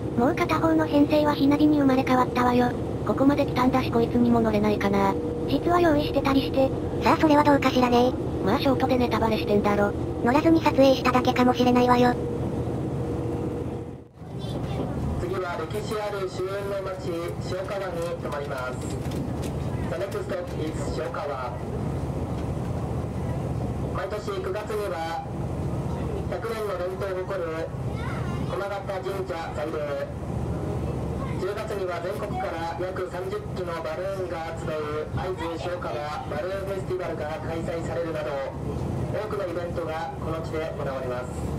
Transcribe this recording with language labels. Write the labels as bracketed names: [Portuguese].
[Japanese] もう片方の編成はひなぎに生まれ変わったわよ。ここまで来たんだしこいつにも乗れないかな。実は用意してたりして。さあそれはどうかしらね。まあショートでネタバレしてんだろ。乗らずに撮影しただけかもしれないわよ。次は歴史ある主演の町塩川に泊まります。 [English] The next stop is 塩川。 [Japanese] 毎年9月には100年の伝統を誇る駒形神社祭礼、10月には全国から約30機のバルーンが集う会津塩川バルーンフェスティバルが開催されるなど、多くのイベントがこの地で行われます。